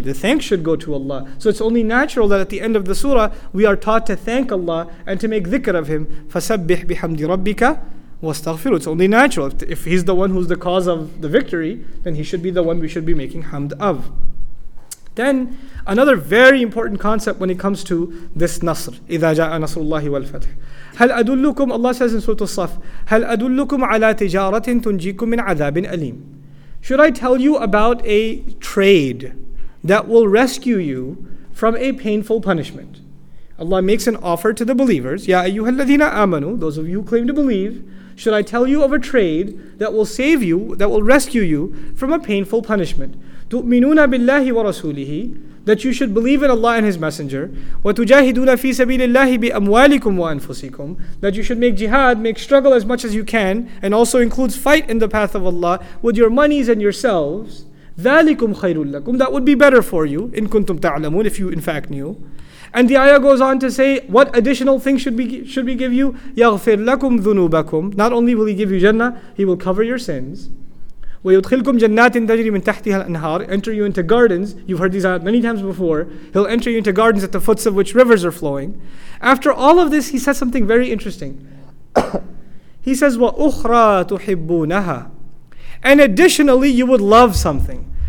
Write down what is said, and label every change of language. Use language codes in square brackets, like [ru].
[en] The thanks should go to Allah. So it's only natural that at the end of the surah, we are taught to thank Allah and to make dhikr of Him. [ar] فَسَبِّحْ بِحَمْدِ رَبِّكَ وَاسْتَغْفِرُ. [en] It's only natural. If He's the one who's the cause of the victory, then He should be the one we should be making hamd of. Then, another very important concept when it comes to this nasr, [ar] إِذَا جَاءَ نَصْرُ اللَّهِ وَالْفَتْحِ. هَلْ أَدُلُّكُمْ, [en] Allah says in Surah As-Saff, [ar] هَلْ أَدُلُّكُمْ عَلَى تِجَارَةٍ تُنْجِيكُمْ مِنْ عَذَابٍ أَلِيمٍ. [en] Should I tell you about a trade that will rescue you from a painful punishment? Allah makes an offer to the believers. [ar] يَا أَيُّهَا الَّذِينَ آمَنُوا, [en] those of you who claim to believe, should I tell you of a trade that will save you, that will rescue you from a painful punishment? [ar] تُؤْمِنُونَ بِاللَّهِ وَرَسُولِهِ, [en] that you should believe in Allah and His Messenger. [ar] وَتُجَاهِدُونَ فِي سَبِيلِ اللَّهِ بِأَمْوَالِكُمْ وَأَنفُسِكُمْ, [en] that you should make jihad, make struggle as much as you can, and also includes fight in the path of Allah with your monies and yourselves. [ar] ذَلِكُمْ خَيْرٌ لَكُمْ, [en] that would be better for you. [ar] إِن كُنْتُمْ تَعْلَمُونَ, [en] if you in fact knew. And the ayah goes on to say, what additional thing should we give you? [ar] يَغْفِرْ لَكُمْ ذُنُوبَكُمْ, [en] not only will He give you Jannah, He will cover your sins. [ar] وَيُدْخِلْكُمْ جَنَّاتٍ تَجْرِي مِنْ تَحْتِهَا الْأَنْهَارِ, [en] enter you into gardens. You've heard these many times before. He'll enter you into gardens at the foots of which rivers are flowing. After all of this, He says something very interesting. He says, [ar] وَأُخْرَى تُحِبُّونَهَا, [en] and additionally, you would love something.